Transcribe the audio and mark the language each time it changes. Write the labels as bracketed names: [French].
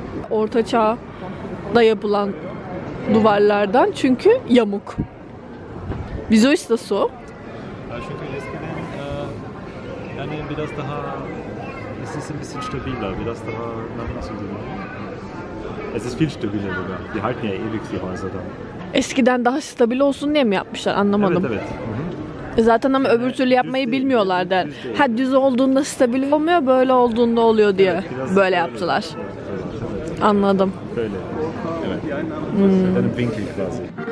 [Turkish] Orta çağ da yapılan duvarlardan çünkü yamuk. [German] Wieso ist das so? [Turkish] Çünkü eskiden yani biraz daha bir stabiler, biraz daha nasıl diyeyim? [German] Es ist viel stabiler sogar. Die halten ja ewig die Häuser da. [Turkish] Eskiden daha stabil olsun diye mi yapmışlar? Anlamadım. Evet, evet. Zaten ama öbür türlü yapmayı bilmiyorlar der. Ha, düz olduğunda stabil olmuyor, böyle olduğunda oluyor diye. Evet, böyle yaptılar. Evet, evet. Anladım. Böyle. Evet. Yani [German] winkel quasi.